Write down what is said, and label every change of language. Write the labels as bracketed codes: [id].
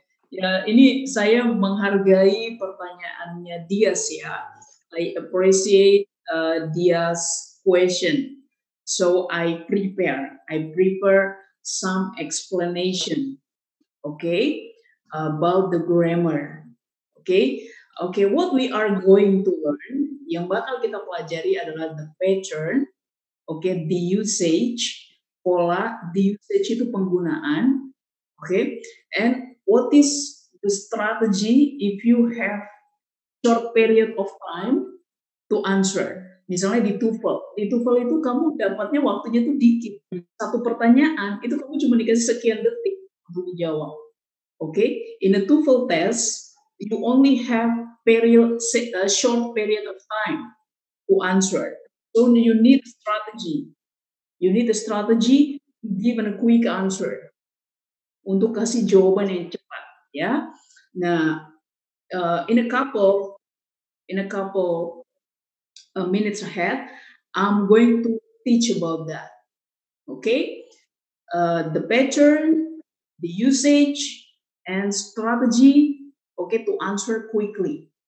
[id] Yeah, ini saya menghargai pertanyaannya Dias ya. [en] I appreciate Dias question. So I prepare some explanation, okay, about the grammar. Okay, what we are going to learn, [id] yang bakal kita pelajari adalah [en] the pattern, okay, the usage, pola, the usage [id] itu penggunaan, [en] okay, and what is the strategy if you have short period of time to answer. [id] Misalnya di TOEFL itu kamu dapatnya waktunya tuh dikit. Satu pertanyaan, itu kamu cuma dikasih sekian detik untuk dijawab. [en] Okay? In a TOEFL test, you only have a short period of time to answer. So you need a strategy. You need a strategy to give a quick answer. [id] Untuk kasih jawaban yang cepat. Ya? [en] Nah, in a couple minutes ahead, I'm going to teach about that. Okay? The pattern, the usage, and strategy, okay, to answer quickly.